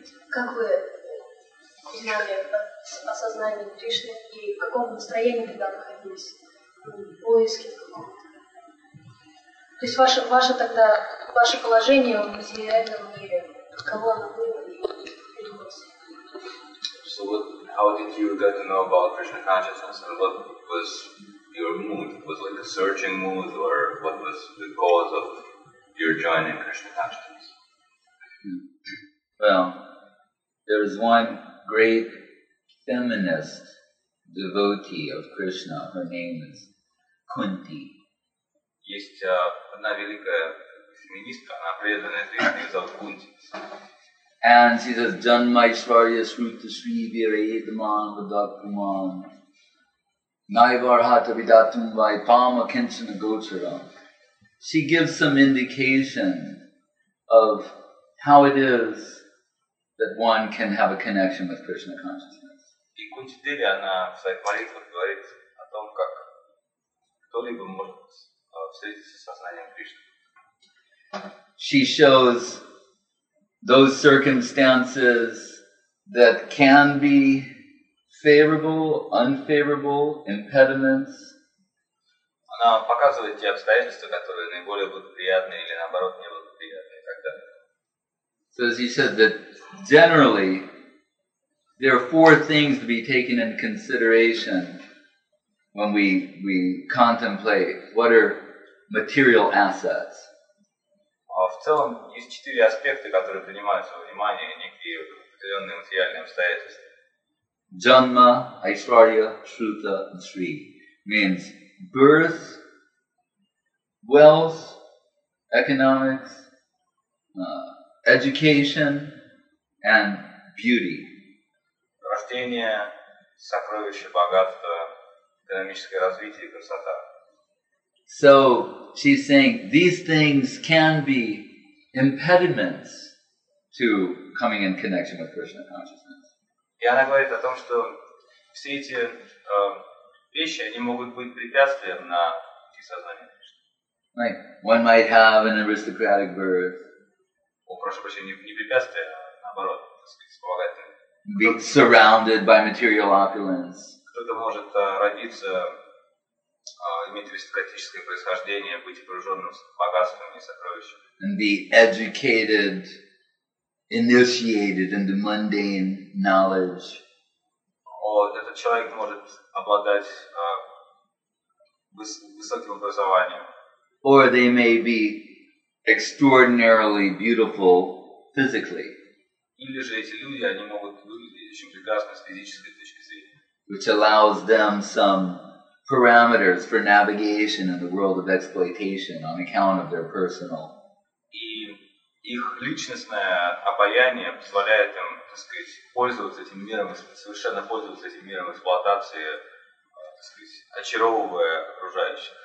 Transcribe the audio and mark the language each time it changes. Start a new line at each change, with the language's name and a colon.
Russian: Как вы узнали о сознании Кришны и в каком настроении тогда находились? В поиске какого-то. То есть ваше тогда ваше положение в материальном мире, каково оно было и перевозилось?
English: So what, how did you get to know about Krishna consciousness and what was your mood? Was like a searching mood or what was the cause of your joining Krishna consciousness? Well, there was one great feminist devotee of Krishna. Her name is Kunti.
Russian: Есть одна великая феминистка, она преданная Кришне, ее зовут Кунти.
English: And she says,
Sanskrit: "Janmaishwarya Shruti Shri Viraidman Vadakuman Naivarhata Vidatum Vai Pama Kinshana Gocharam."
English: She gives some indication of how it is that one can have a connection with Krishna consciousness.
Russian: И Кунти Деви, она в своих молитвах говорит о том, как кто-либо может встретиться с сознанием Кришны.
English: She shows those circumstances that can be favorable, unfavorable, impediments.
Russian: Она показывает те обстоятельства, которые наиболее благоприятны или наоборот неблагоприятны и так далее.
English: So as he said that generally there are four things to be taken into consideration when we contemplate what are material assets.
Russian: В целом есть четыре аспекта, которые принимаются во внимание, некие определенные материальные обстоятельства.
English: Janma, Aishwarya, Shruta, and Sri means birth, wealth, economics, education and beauty.
Russian: Рождение, сокровища, богатство, экономическое развитие, красота.
English: So she's saying these things can be impediments to coming in connection with Krishna consciousness.
Russian: И она говорит о том, что все эти вещи, они могут быть препятствием на пути сознания Кришны.
English: Like one might have an aristocratic birth.
Russian: О, прошу прощения, не препятствие, а наоборот, так сказать, вспомогательное.
English: Be surrounded by material opulence.
Russian: Кто-то может родиться, иметь аристократическое происхождение, быть окруженным богатствами и сокровищами.
English: And be educated, initiated into mundane knowledge.
Russian: О, этот человек может обладать высоким образованием.
English: Or they may be extraordinarily beautiful physically.
Russian: Или же эти люди, они могут выглядеть очень прекрасно с физической точки зрения.
English: Which allows them some parameters for navigation in the world of exploitation on account of their personal.
Russian: И их личностное обаяние позволяет им, так сказать, пользоваться этим миром, совершенно пользоваться этим миром эксплуатации, так сказать, очаровывая окружающих.